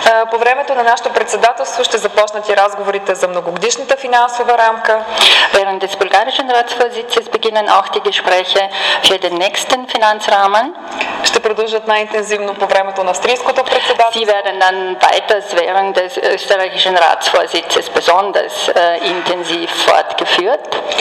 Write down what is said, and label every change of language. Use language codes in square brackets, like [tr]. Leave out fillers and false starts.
[bg] По времето на нашето председателство ще започнат и разговорите за многогодишната финансова рамка. [de] Während des bulgarischen Ratsvorsitzes beginnen auch die Gespräche für den nächsten Finanzrahmen. [bg] Ще продължат най-интензивно по времето на австрийското председателство. [de] Sie werden dann weiters während des österreichischen Ratsvorsitzes besonders intensiv fortgeführt.